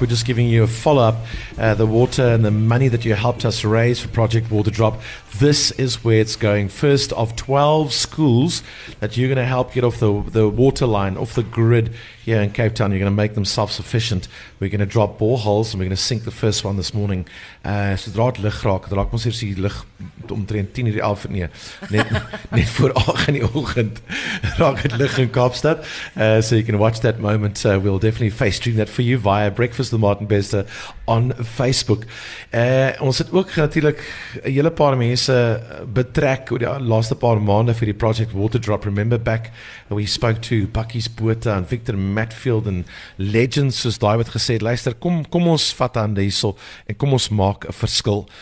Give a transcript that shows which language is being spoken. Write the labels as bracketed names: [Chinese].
[English] We're just giving you a follow-up. The water and the money that you helped us raise for Project Water Drop, this is where it's going. First of 12 schools that you're going to help get off the water line, off the grid here in Cape Town. You're going to make them self-sufficient. We're going to drop boreholes and we're going to sink the first one this morning. [Afrikaans] Sodra het lig raak, raak ons hier die lig omtrent 10 uur 11, nee, net voor 8 in die oogend raak het lig in Kaapstad. [English] So you can watch that moment. We'll definitely face stream that for you via Breakfast with Martin Bester on Facebook. [Afrikaans] Ons het ook natuurlijk hele paar mense betrek oor die laaste paar maande vir die Project Water Drop. [English] Remember back when we spoke to Bakkie Spoorte and Victor Matfield and legends [Afrikaans] soos die wat gesê het, luister, kom ons vat aan die hessel en kom ons maak 'n verskil.